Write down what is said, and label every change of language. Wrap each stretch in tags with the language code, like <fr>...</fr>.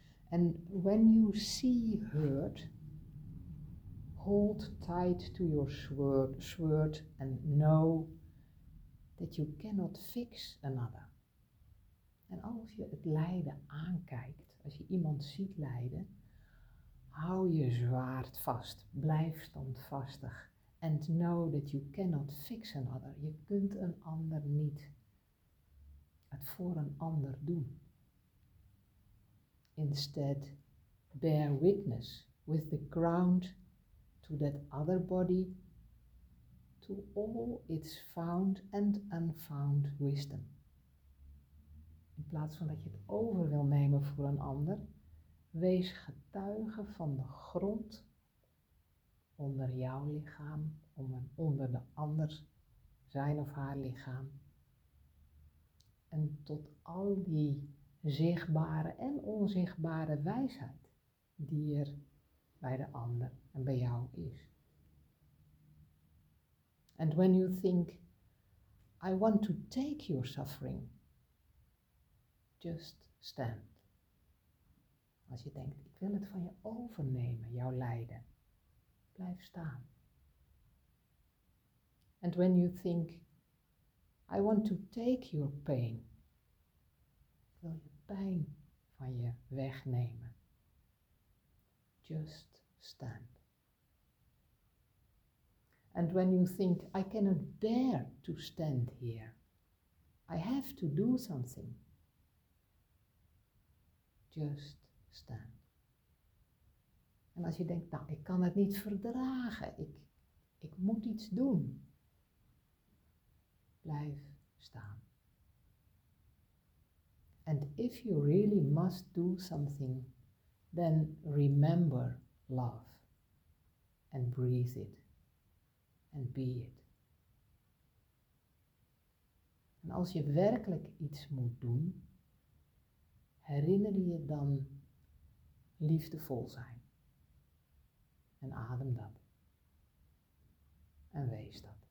<en>And when you see hurt, hold tight to your sword and know that you cannot fix another.</en> <nl>En als je het lijden aankijkt, als je iemand ziet lijden, hou je zwaard vast, blijf standvastig.</nl> <en>And know that you cannot fix another.</en> <nl>Je kunt een ander niet het voor een ander doen.</nl> <en>Instead, bear witness with the ground to that other body, to all its found and unfound wisdom.</en> <nl>In plaats van dat je het over wil nemen voor een ander, wees getuige van de grond onder jouw lichaam, onder de ander zijn of haar lichaam. En tot al die zichtbare en onzichtbare wijsheid die er bij de ander en bij jou is.</nl> <en>And when you think, I want to take your suffering, just stand.</en> <nl>Als je denkt, ik wil het van je overnemen, jouw lijden, blijf staan.</nl> <en>And when you think, I want to take your pain,</en> <nl>wil je pijn van je wegnemen,</nl> <en>just stand. And when you think, I cannot bear to stand here, I have to do something, just stand.</en> <nl>En als je denkt, nou, ik kan het niet verdragen, ik moet iets doen, blijf staan.</nl> <en>And if you really must do something, then remember love and breathe it and be it.</en> <nl>En als je werkelijk iets moet doen, herinner je dan liefdevol zijn. En adem dat. En wees dat.</nl>